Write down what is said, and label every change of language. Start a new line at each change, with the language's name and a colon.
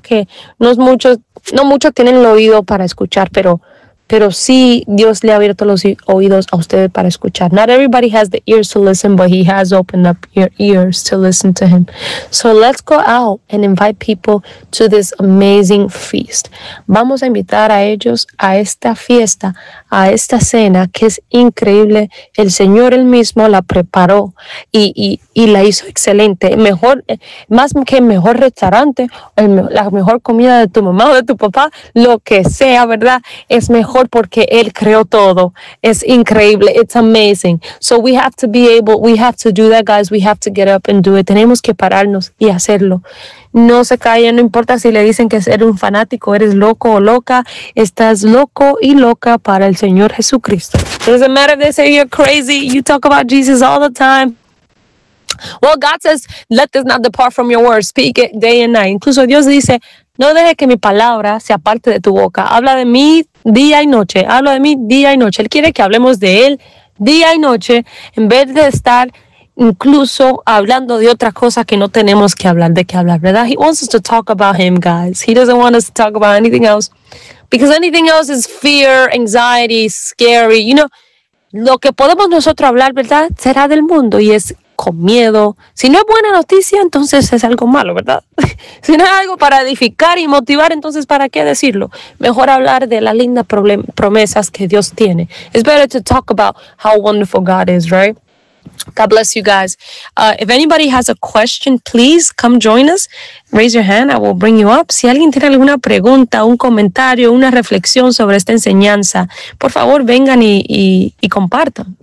Spanish: Que no muchos tienen el oído para escuchar, pero sí, Dios le ha abierto los oídos a ustedes para escuchar.
English: Not everybody has the ears to listen, but he has opened up your ears to listen to him. So let's go out and invite people to this amazing feast.
Spanish: Vamos a invitar a ellos a esta fiesta, a esta cena que es increíble. El Señor él mismo la preparó y la hizo excelente. Mejor, más que mejor restaurante, la mejor comida de tu mamá o de tu papá, lo que sea, ¿verdad? Es mejor. Porque él creó todo. Es increíble.
English: It's amazing. So we have to be able, we have to do that, guys. We have to get up and do it.
Spanish: Tenemos que pararnos y hacerlo. No se calle, no importa si le dicen que eres un fanático, eres loco o loca. Estás loco y loca para el Señor Jesucristo.
English: Doesn't matter if they say you're crazy. You talk about Jesus all the time. Well, God says, let this not depart from your words. Speak it day and night.
Spanish: Incluso Dios dice, no deje que mi palabra sea parte de tu boca. Habla de mí día y noche. Habla de mí día y noche. Él quiere que hablemos de él día y noche en vez de estar incluso hablando de otras cosas que no tenemos que hablar, de qué hablar, ¿verdad?
English: He wants us to talk about him, guys. He doesn't want us to talk about anything else. Because anything else is fear, anxiety, scary.
Spanish: You know, lo que podemos nosotros hablar, ¿verdad? Será del mundo y es con miedo. Si no es buena noticia, entonces es algo malo, ¿verdad? Si no es algo para edificar y motivar, entonces ¿para qué decirlo? Mejor hablar de las lindas promesas que Dios tiene.
English: It's better to talk about how wonderful God is, right? God bless you guys. If anybody has a question, please come join us. Raise your hand, I will bring you up.
Spanish: Si alguien tiene alguna pregunta, un comentario, una reflexión sobre esta enseñanza, por favor vengan y compartan.